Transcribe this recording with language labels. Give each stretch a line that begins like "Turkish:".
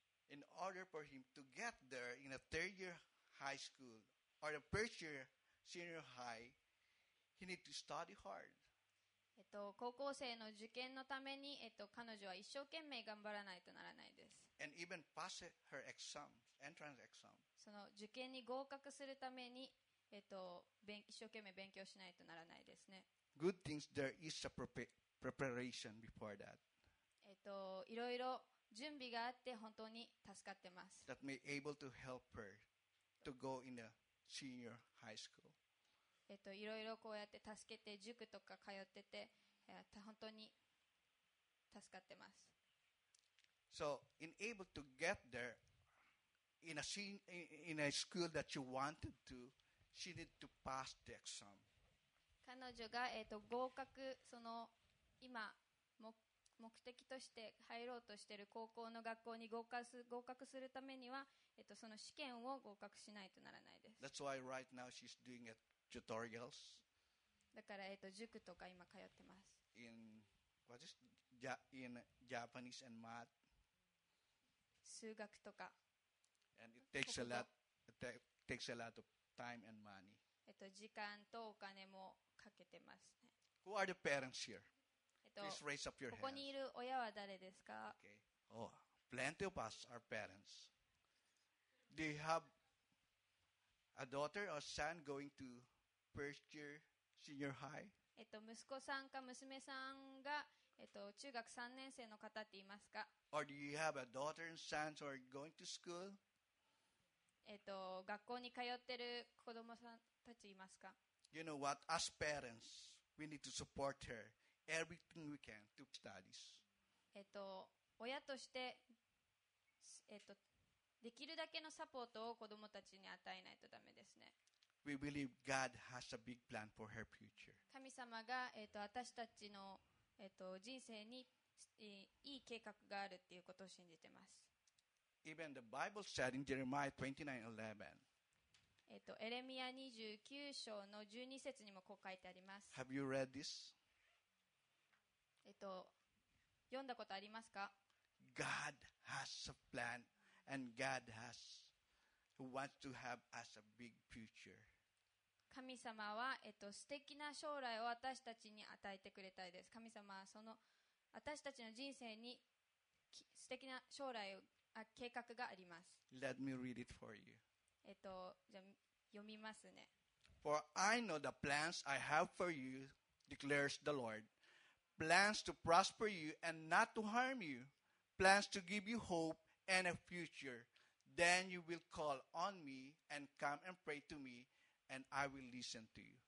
English: In order for him to get there in a third year high school or a first year senior high, he need to study hard.
Japanese: 高校生の受験のために彼女は一生懸命頑張らないとならないです。
English: And even pass her exam, entrance exam.
Japanese: その受験に合格するために。一生懸命勉強しないとならないですね。
English: Good things there is a preparation before that.
Japanese: いろいろ準備があって本当に助かってます。
English: That may able to help her to go in a senior high school.
Japanese: いろいろこうやって助けて塾とか通ってて、本当に助かってます。
English: So, in able to get there in a, in a school that you wanted to, she need to pass the exam.
Japanese: 彼女が、合格、その今目的として入ろうとしている高校の学校に合格するためには、その試験を合格しないとならないです。
English: That's why right now she's doing it. Tutorials.
Japanese: だから、塾とか今通ってます。
English: In, what is, ja, in Japanese and math.
Japanese: 数学とか。
English: And it takes a lot, takes a lot of time and money.
Japanese: 時間とお金もかけてますね。
English: Who are the parents here? Please raise up your hands.
Japanese: ここにいる親は誰ですか?
English: Okay. Oh, plenty of us are parents. Do you have a daughter or son going to first year senior high?
Japanese: 息子さんか娘さんが、中学3年生の方っていますか?
English: Or do you have a daughter and son who are going to school?
Japanese: 学校に通ってる子供さんたちいますか?
English: You know what? As parents, we need to support her everything we can to studies.
Japanese: 親として、できるだけのサポートを子どもたちに与えないとダメですね。
English: We believe God has a big plan for her future.
Japanese: 神様が、私たちの、人生にいい計画があるっていうことを信じてます。
English: Even the Bible said in Jeremiah 29:11.
Japanese: エレミア29章の12節にもこう書いてあります。
English: Have you read this?
Japanese: 読んだことありますか?
English: God has a plan. And God has wants to have us a big future.
Japanese: 神様は、素敵な将来を私たちに与えてくれたいです。神様はその私たちの人生に素敵な将来を計画があります。
English: Let me read it for you.
Japanese: じゃあ読みますね。
English: For I know the plans I have for you, declares the Lord. Plans to prosper you and not to harm you. Plans to give you hope. And a future, then you will call on me and come and pray to me, and I will listen to you.